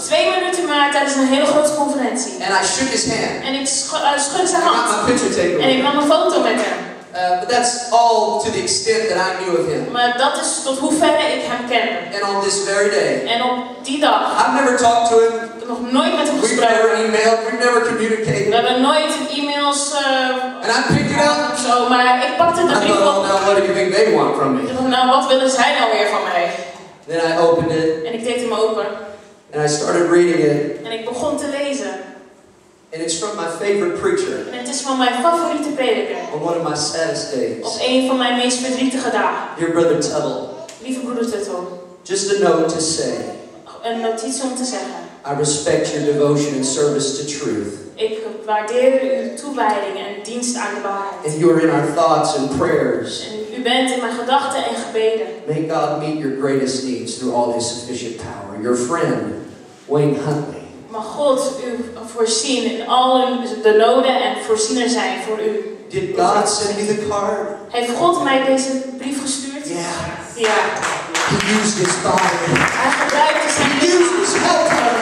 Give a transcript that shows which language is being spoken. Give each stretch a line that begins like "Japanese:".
Dutch: 2 minuten maar tijdens een hele grote conferentie.
English: And I shook his hand.
Dutch: En ik schudde zijn hand.
English: I got my picture taken.
Dutch: En ik nam een foto met hem.
English: But that's all to the extent that I knew of him.
Dutch: Maar dat is tot hoever ik hem ken.
English: And on this very day.
Dutch: En op die dag.
English: I've never talked to him.
Dutch: Ik heb nog nooit met hem gesproken.
English: We've never emailed. We've never communicated.
Dutch: We hebben nooit e-mails.
English: And I picked it up.
Dutch: Zo, maar ik pakte de brief op.
English: Now what do you think they want from me?
Dutch: Nou, wat willen zij nou weer van mij?
English: Then I opened it.
Dutch: En ik deed hem open.
English: And I started reading it.
Dutch: En ik begon te lezen.
English: And it's from my favorite preacher.
Dutch: En het is van mijn favoriete prediker.
English: On one of my saddest days.
Dutch: Op een van mijn meest verdrietige dagen.
English: Dear Brother Tuttle.
Dutch: Lieve broeder Tuttle.
English: Just a note to say.
Dutch: Een notitie om te zeggen.
English: I respect your devotion and service to truth.
Dutch: Ik waardeer uw toewijding en dienst aan de waarheid.
English: And you are in our thoughts and prayers.
Dutch: En u bent in mijn gedachten en gebeden.
English: May God meet your greatest needs through all His sufficient power. Your friend, Wayne Huntley.
Dutch: Mag God u voorzien in al de noden en voorziener zijn voor u.
English: Did God send me the card?
Dutch: Heeft God mij deze brief gestuurd? Ja.
English: Yeah. Yeah. He used his card.
Dutch: Hij gebruikte zijn helper.